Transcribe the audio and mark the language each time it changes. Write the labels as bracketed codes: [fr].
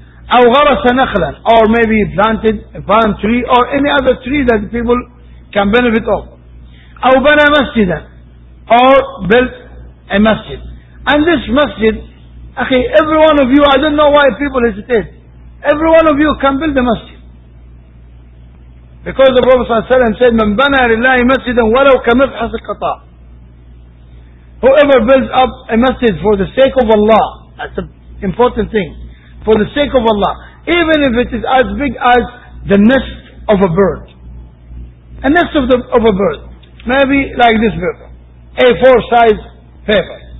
[ar] Aw gharasa nakhlan, [en] or maybe he planted a palm tree or any other tree that people can benefit of. [ar] Aw bana masjidan, [en] or built a masjid. And this masjid, okay, every one of you, I don't know why people hesitate. Every one of you can build a masjid. Because the Prophet ﷺ said, [ar] مَنْ بَنَى لِلَّهِ مَسْجِدًا وَلَوْ كَمِفْحَسِ الْقَطَى. [en] Whoever builds up a masjid for the sake of Allah, that's an important thing, for the sake of Allah, even if it is as big as the nest of a bird. A nest of a bird. Maybe like this paper. A4 size paper.